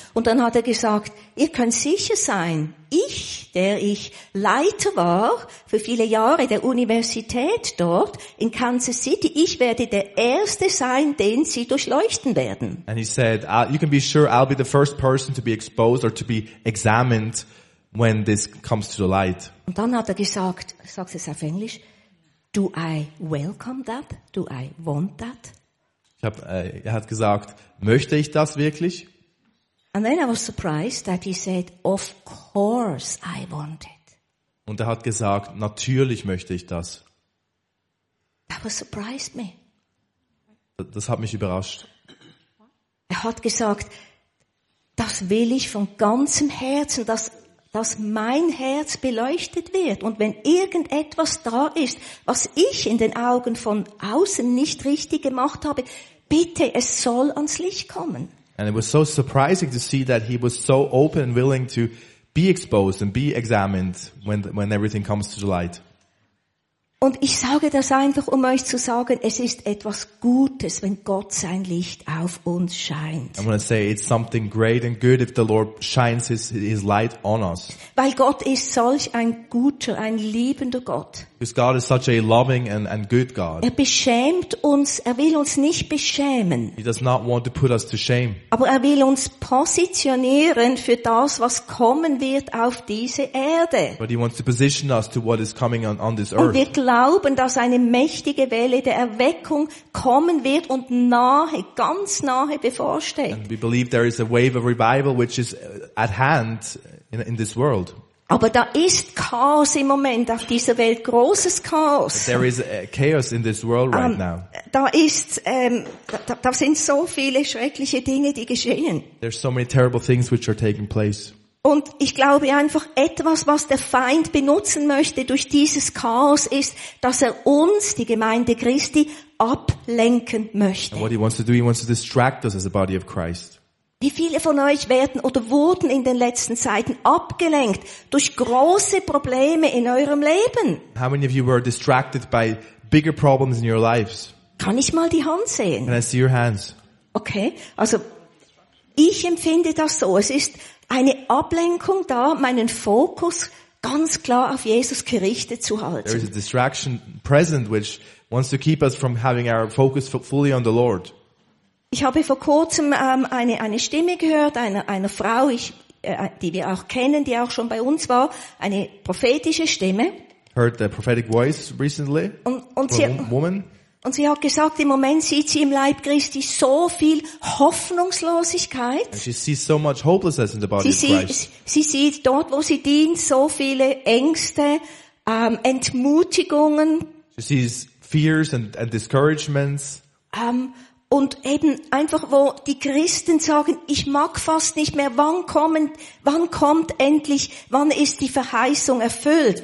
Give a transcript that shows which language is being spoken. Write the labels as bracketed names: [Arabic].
[German] Und dann hat er gesagt, ihr könnt sicher sein, der ich Leiter war für viele Jahre der Universität dort in Kansas City, ich werde der Erste sein, den sie durchleuchten werden. [English] And he said, you can be sure I'll be the first person to be exposed or to be examined when this comes to the light. [German] Und dann hat er gesagt, sagst du es auf Englisch, [English] do I welcome that? Do I want that? [German] Er hat gesagt, möchte ich das wirklich? [English] And then I was surprised that he said, of course I want it. [German] Und er hat gesagt, natürlich möchte ich das. [English] That was surprised me. [German] Das hat mich überrascht. Er hat gesagt, das will ich von ganzem Herzen, dass mein Herz beleuchtet wird. Und wenn irgendetwas da ist, was ich in den Augen von außen nicht richtig gemacht habe, bitte, es soll ans Licht kommen. [English] And it was so surprising to see that he was so open and willing to be exposed and be examined when everything comes to the light. [German] Und ich sage das einfach, um euch zu sagen, es ist etwas Gutes, wenn Gott sein Licht auf uns scheint. [English] I'm going to say it's something great and good if the Lord shines his light on us. [German] Weil Gott ist solch ein guter, ein liebender Gott. [English] Because God is such a loving and good God. [German] Er beschämt uns, er will uns nicht beschämen. [English] He does not want to put us to shame. [German] Aber er will uns positionieren für das, was kommen wird auf diese Erde. [English] But he wants to position us to what is coming on this earth. [German] Und wir glauben, dass eine mächtige Welle der Erweckung kommen wird und nahe, ganz nahe bevorsteht. [English] And we believe there is a wave of revival which is at hand in this world. [German] Aber da ist Chaos im Moment auf dieser Welt, großes Chaos. [English] But there is chaos in this world right now. [German] Da sind so viele schreckliche Dinge, die geschehen. [English] There's so many terrible things which are taking place. [German] Und ich glaube einfach, etwas, was der Feind benutzen möchte durch dieses Chaos, ist, dass er uns, die Gemeinde Christi, ablenken möchte. [English] And what he wants to do, he wants to distract us as a body of Christ. [German] Wie viele von euch werden oder wurden in den letzten Zeiten abgelenkt durch große Probleme in eurem Leben? [English] How many of you were distracted by bigger problems in your lives? [German] Kann ich mal die Hand sehen? [English] Can I see your hands? [German] Okay, also ich empfinde das so, es ist eine Ablenkung da, meinen Fokus ganz klar auf Jesus gerichtet zu halten. [English] There is a distraction present which wants to keep us from having our focus fully on the Lord. [German] Ich habe vor kurzem eine Stimme gehört, einer Frau, die wir auch kennen, die auch schon bei uns war, eine prophetische Stimme. [English] Heard the prophetic voice recently? [German] Und sie hat gesagt, im Moment sieht sie im Leib Christi so viel Hoffnungslosigkeit. [English] And she sees so much hopelessness in the body of Christ. [German] Sie sieht dort, wo sie dient, so viele Ängste, Entmutigungen. [English] She sees fears and discouragements. [German] Und eben einfach, wo die Christen sagen, ich mag fast nicht mehr, wann ist die Verheißung erfüllt?